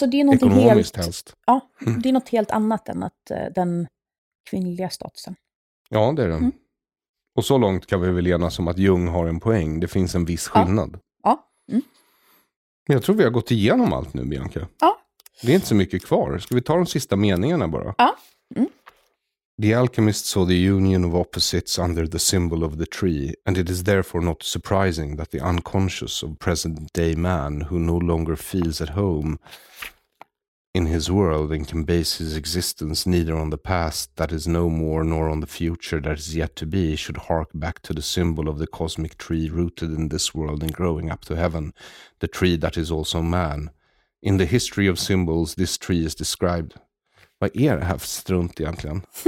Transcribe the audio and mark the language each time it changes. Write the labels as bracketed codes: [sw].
[sv] Alltså det är någonting ekonomiskt helt, helst. Ja, det är något helt annat än att den kvinnliga statusen. Ja, det är det. Och så långt kan vi väl enas som att Jung har en poäng. Det finns en viss skillnad. Ja. Men jag tror vi har gått igenom allt nu, Bianca. Ja. Det är inte så mycket kvar. Ska vi ta de sista meningarna bara? Ja. [en] The alchemist saw the union of opposites under the symbol of the tree, and it is therefore not surprising that the unconscious of present day man, who no longer feels at home in his world and can base his existence neither on the past that is no more nor on the future that is yet to be, should hark back to the symbol of the cosmic tree rooted in this world and growing up to heaven, the tree that is also man. In the history of symbols, this tree is described. [sv] Vad är det här för strunt egentligen?